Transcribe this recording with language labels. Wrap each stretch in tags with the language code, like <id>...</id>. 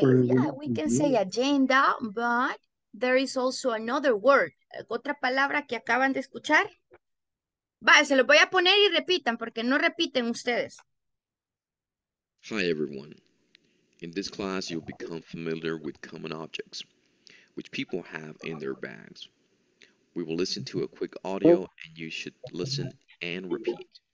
<en>Yeah, we can say agenda, but there is also another word.</en> <es>Otra palabra que acaban de escuchar. Va, se los voy a poner y repitan porque no repiten ustedes.</es> <en>Hi everyone. In this class, you'll become familiar with common objects, which people have in their bags. We will listen to a quick audio, and you should listen and repeat.</en>